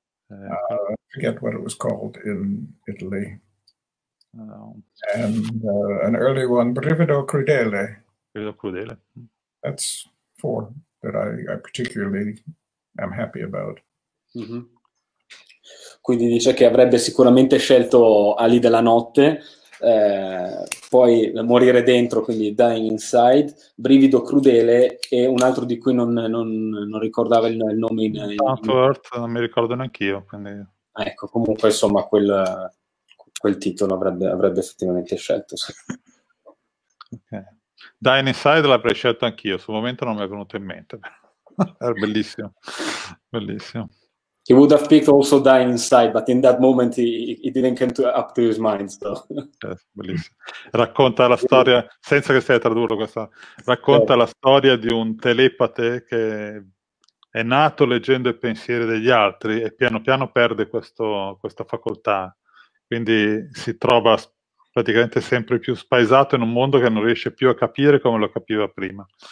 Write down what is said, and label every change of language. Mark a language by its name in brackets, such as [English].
[English] I forget what it was called in Italy. An early one, Brivido Crudele. Brivido Crudele. That's four that I particularly am happy about. Mm-hmm. [Italian] Quindi dice che avrebbe sicuramente scelto Ali della Notte, poi Morire Dentro, quindi Dying Inside, Brivido Crudele e un altro di cui non ricordava il nome. Earth, non mi ricordo neanch'io. Quindi... Ecco, comunque insomma quel titolo avrebbe effettivamente scelto, sì. Okay. Dying Inside l'avrei scelto anch'io, sul momento non mi è venuto in mente. Era bellissimo, bellissimo. [English] He would have picked also Dying Inside, but in that moment he didn't come up to his mind. So. [Italian] Bellissimo. Racconta la storia, senza che stia a tradurlo questa, racconta la storia di un telepate che è nato leggendo i pensieri degli altri e piano piano perde questa facoltà. Quindi si trova praticamente sempre più spaesato in un mondo che non riesce più a capire come lo capiva prima.